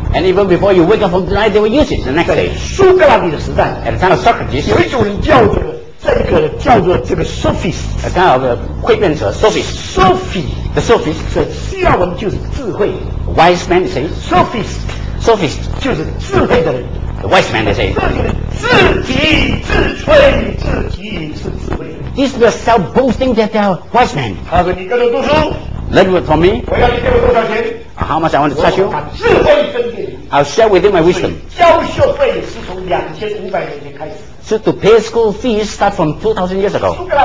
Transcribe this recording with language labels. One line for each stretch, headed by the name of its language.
English: And even before you wake up from tonight, they were used to the next day.
Chinese: 苏格拉底的时代，
English: at the time of Socrates,
Chinese: 有一种人叫做。这个叫做这个 sophist，刚好的诡辩者 sophist，
English: sophist， the sophist，
Chinese: 这希腊文就是智慧
English: ，wise man say sophist， sophist
Chinese: 就是智慧的人
English: ，the wise man they say，
Chinese: 自己自吹自己是智慧的。
English: This was self boasting that they are wise man。
Chinese: 他说你跟着读书
English: ，learn with from me。
Chinese: 我要你给我多少钱
English: ？How much I want to charge you？
Chinese: 把智慧分给你。
English: I'll share with you my wisdom。
Chinese: 交学费是从2500年前开始。
English: So to pay school fees start from 2000 years ago.